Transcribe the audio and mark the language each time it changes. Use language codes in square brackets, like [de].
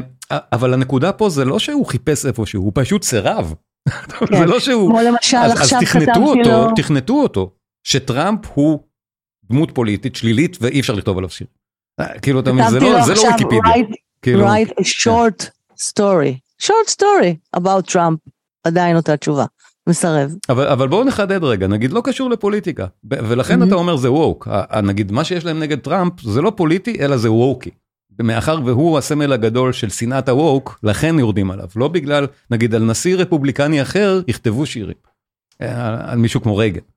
[he] אבל הנקודה פה זה לא שהוא חיפש איפשהו, הוא פשוט סירב. זה לא שהוא... אז תכנתו אותו, שטראמפ הוא דמות פוליטית שלילית, ואי אפשר לכתוב עליו שיר. כאילו, אתה מבין, זה לא ויקיפדיה. [en] Write a short story. Short story about Trump. [he] עדיין אותה תשובה. מסרב. אבל בואו נחדד רגע, נגיד, לא קשור לפוליטיקה. ולכן אתה אומר, זה ווק. נגיד, מה שיש להם נגד טראמפ, זה לא פוליטי, אלא זה ווקי. מאחר והוא הסמל הגדול של שנאת הווק, לכן יורדים עליו. לא בגלל, נגיד, על נשיא רפובליקני אחר, יכתבו שירים. על מישהו כמו רגע.